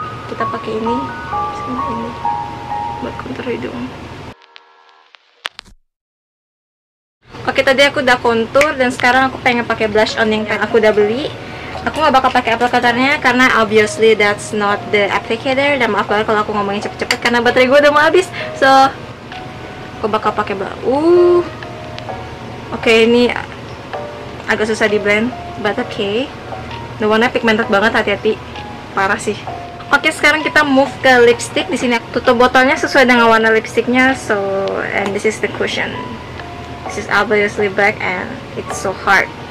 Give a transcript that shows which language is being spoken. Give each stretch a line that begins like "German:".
Indonesian: Kita pakai ini sama ini buat kontur hidung. Oke, tadi aku udah kontur dan sekarang aku pengen pakai blush on yang aku udah beli. Aku nggak bakal pakai applicatornya karena
English: obviously that's not the applicator.
Indonesian: Dan maaf kalau aku ngomongin cepet-cepet karena baterai gue udah mau habis. So aku bakal pakai Oke, ini agak susah di blend,
English: but okay.
Indonesian: The warna pigmented banget, hati-hati. Parah sih. Oke, sekarang kita move ke lipstick. Di sini aku tutup botolnya sesuai dengan warna lipsticknya.
English: So, and this is the cushion. This is obviously black and it's so hard.